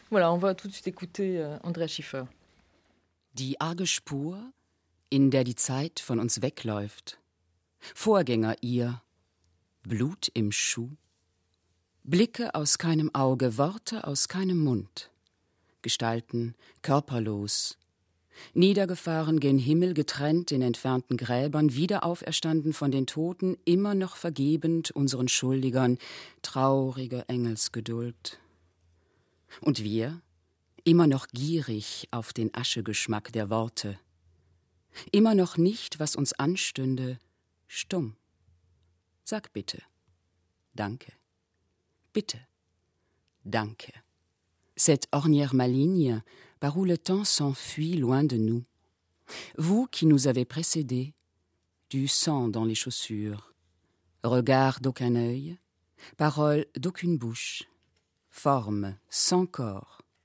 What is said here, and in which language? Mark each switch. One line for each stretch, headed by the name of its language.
French: Voilà, on va tout de suite écouter Andrea Schiffer.
German: Die arge Spur, in der die Zeit von uns wegläuft. Vorgänger ihr, Blut im Schuh. Blicke aus keinem Auge, Worte aus keinem Mund. Gestalten, körperlos. Niedergefahren gen Himmel, getrennt in entfernten Gräbern, wiederauferstanden von den Toten, immer noch vergebend unseren Schuldigern, traurige Engelsgeduld. Und wir, immer noch gierig auf den Aschegeschmack der Worte. Immer noch nicht, was uns anstünde, stumm. Sag bitte, danke, bitte, danke.
French: Cette ornière maligne, par où le temps s'enfuit loin de nous. Vous qui nous avez précédés, du sang dans les chaussures, regard d'aucun œil, parole d'aucune bouche, forme sans corps.